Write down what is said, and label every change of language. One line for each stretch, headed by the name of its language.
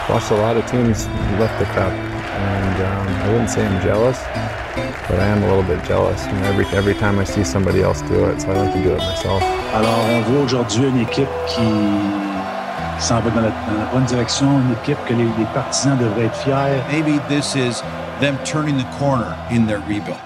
English: A lot of teams left the cup, and I wouldn't say I'm jealous, but I am a little bit jealous. You know, every time I see somebody else do it, so I like to do it myself.
French: Alors, on voit aujourd'hui une équipe qui s'en va dans la bonne direction, une équipe que les partisans devraient être fiers.
English: Maybe this is them turning the corner in their rebuild.